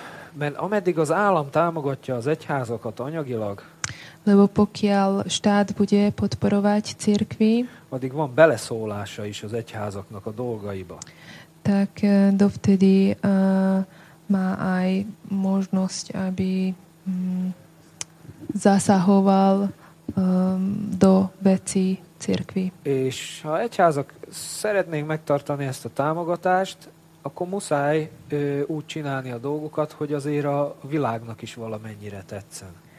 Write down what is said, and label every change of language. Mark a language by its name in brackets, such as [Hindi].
[Hungarian] Mert ameddig az állam támogatja az egyházakat anyagilag, [Slovak] lebo pokiaľ štát bude podporovať cirkvi, [Hungarian] addig van beleszólása is az egyházaknak a dolgaiba. [Slovak] Tak dovtedy má aj možnosť, aby zasahoval do veci cirkvi. [Hungarian] És ha egyházak szeretnénk megtartani ezt a támogatást, akkor muszáj úgy csinálni a dolgokat, hogy azért a világnak is valamennyire tetszen.